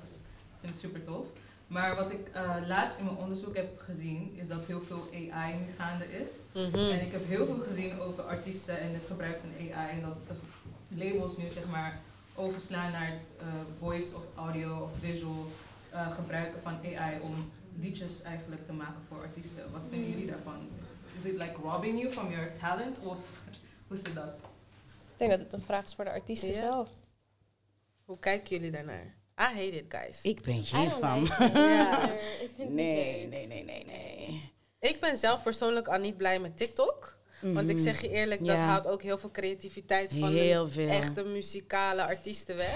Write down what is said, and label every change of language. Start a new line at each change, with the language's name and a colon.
Dutch: Dus ik vind het super tof. Maar wat ik laatst in mijn onderzoek heb gezien, is dat heel veel AI gaande is. Mm-hmm. En ik heb heel veel gezien over artiesten en het gebruik van AI. En dat ze labels nu zeg maar overslaan naar het voice of audio of visual gebruiken van AI om liedjes eigenlijk te maken voor artiesten. Wat vinden jullie daarvan?
English: Is it like robbing you from your talent?
Dutch: Of hoe is dat? Ik denk dat het een vraag is voor de artiesten zelf. Hoe kijken jullie daarnaar?
English: I hate it, guys.
Dutch: Ik ben hier van. Nee. Ik ben zelf persoonlijk al niet blij met TikTok. Mm-hmm. Want ik zeg je eerlijk, dat haalt ook heel veel creativiteit van echte muzikale artiesten weg.